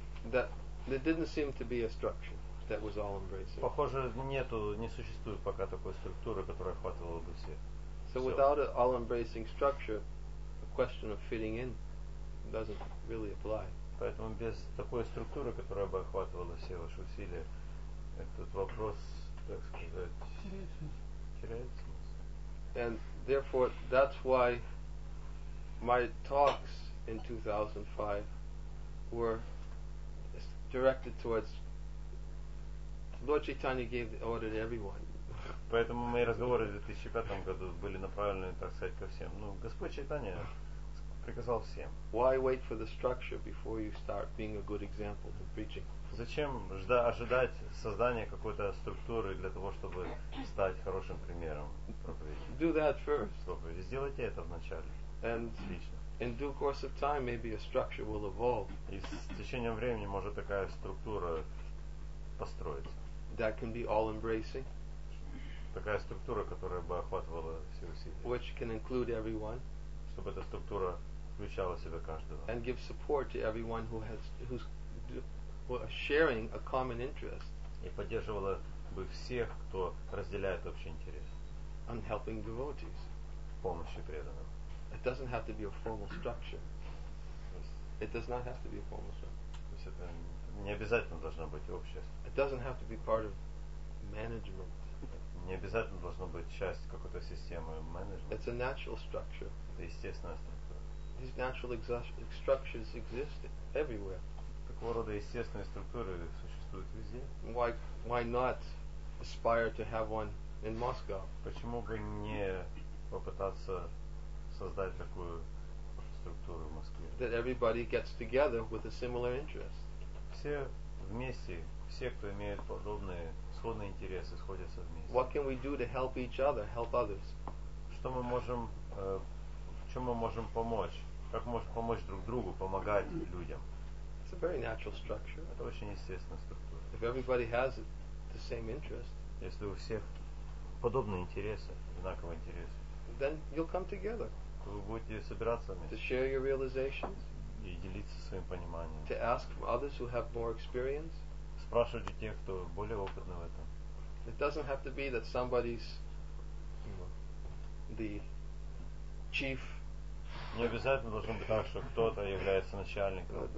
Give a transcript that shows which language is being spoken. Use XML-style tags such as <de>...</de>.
<en>That didn't seem to be a structure that was all embracing.</en> <ru>Похоже, не существует пока такой структуры, которая охватывала бы все.</ru> <en>So without an all-embracing structure, the question of fitting in doesn't really apply.</en> <ru>Поэтому без такой структуры, которая бы охватывала все ваши усилия, этот вопрос, так сказать, теряет смысл.</ru> <en>And therefore, that's why my talks in 2005 were directed towards. Lord Chaitanya gave the order to everyone.</en> <ru>Поэтому мои разговоры в 2005 году были направлены, так сказать, ко всем. Ну, Господь Чайтанья приказал всем.</ru> <en>Why wait for the structure before you start being a good example to preaching?</en> <ru>Зачем ожидать создания какой-то структуры для того, чтобы стать хорошим примером проповедника?</ru> <en>Do that first.</en> <ru>Сделайте это вначале.</ru> <en>And</en> <ru>лично.</ru> <en>In due course of time, maybe a structure will evolve.</en> <ru>И с течением времени может такая структура построиться.</ru> <en>That can be all embracing.</en> <ru>Такая структура, которая бы охватывала все усилия.</ru> <en>Which can include everyone.</en> <ru>Чтобы эта структура включала в себя каждого.</ru> <en>And give support to everyone who has who are sharing a common interest.</en> <ru>И поддерживала бы всех, кто разделяет общий интерес.</ru> <en>And helping devotees.</en> <ru>Помощи преданным.</ru> <en>It doesn't have to be a formal structure. It does not have to be a formal structure.</en> <ru>То есть это не обязательно должна быть общая.</ru> <en>It doesn't have to be part of management.</en> <ru>Не обязательно должно быть часть какой-то системы менеджмента.</ru> <en>It's a natural structure.</en> <ru>Это естественная структура.</ru> <en>These natural structures exist everywhere.</en> <ru>Такого рода естественные структуры существуют везде.</ru> <en>Why not aspire to have one in Moscow?</en> <ru>Почему бы не попытаться создать такую структуру в Москве?</ru> <en>That everybody gets together with a similar interest.</en> <ru>Все вместе, все, кто имеет подобные сходные интересы, сходятся вместе.</ru> <en>What can we do to help each other, help others?</en> <ru>Что мы можем, чем мы можем помочь? Как можем помочь друг другу, помогать людям?</ru> <en>It's a very natural structure.</en> <ru>Это очень естественная структура.</ru> <en>If everybody has it, the same interest.</en> <ru>Если у всех подобные интересы, одинаковые интересы.</ru> <en>Then you'll come together.</en> <ru>То вы будете собираться вместе.</ru> <en>To share your realizations.</en> <ru>И делиться своим пониманием.</ru> <en>To ask others who have more experience.</en> <ru>спрашивать у тех, кто более опытный в этом.</ru> <en>It doesn't have to be that somebody's, you know, the chief.</en> <ru>Не обязательно должно быть так, что кто-то является начальником.</ru>